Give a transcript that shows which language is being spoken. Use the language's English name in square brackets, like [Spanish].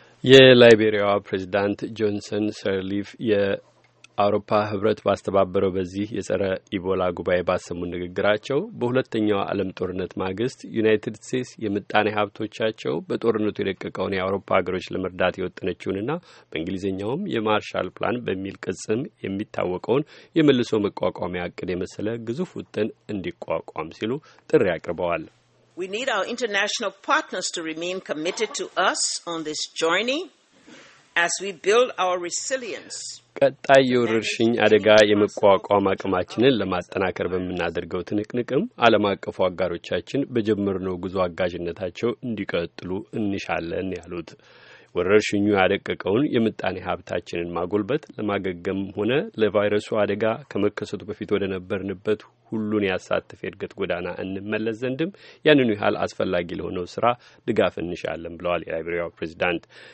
[Amharic] የላይቤሪያዋ ፕሬዚዳንት ጆንሰን ሰርሊፍ የአውሮፓ ህብረት ባስተባበረው በዚህ የጸረ ኢቦላ ጉባኤ ባሰሙ ንግግራቸው በሁለተኛው ዓለም ጦርነት ማግስት ዩናይትድ ስቴትስ የምጣኔ ሀብቶቻቸው በጦርነቱ የደቀቀውን የአውሮፓ ሀገሮች ለመርዳት የወጠነችውንና በእንግሊዝኛውም የማርሻል ፕላን በሚል ቅጽም የሚታወቀውን የመልሶ መቋቋሚያ እቅድ የመሰለ ግዙፍ ውጥን እንዲቋቋም ሲሉ ጥሪ አቅርበዋል። [English] We need our international partners to remain committed to us on this journey as we build our resilience. [Amharic] ቀጣይ የወረርሽኝ አደጋ የመቋቋም አቅማችንን ለማጠናከር በሚናደርገው ትንቅንቅም ዓለም አቀፉ አጋሮቻችን በጀመርነው ጉዞ አጋዥነታቸው እንዲቀጥሉ እንሻለን ያሉት ወረርሽኙ ያደቀቀውን የምጣኔ ሀብታችንን ማጎልበት ለማገገም ሆነ ለቫይረሱ አደጋ ከመከሰቱ በፊት ወደ ነበርንበት ሁሉን ያሳተፈ እድገት ጎዳና እንመለስ ዘንድም ያንኑ ያህል አስፈላጊ ለሆነው ስራ ድጋፍ እንሻለን ብለዋል የላይቤሪያው ፕሬዚዳንት።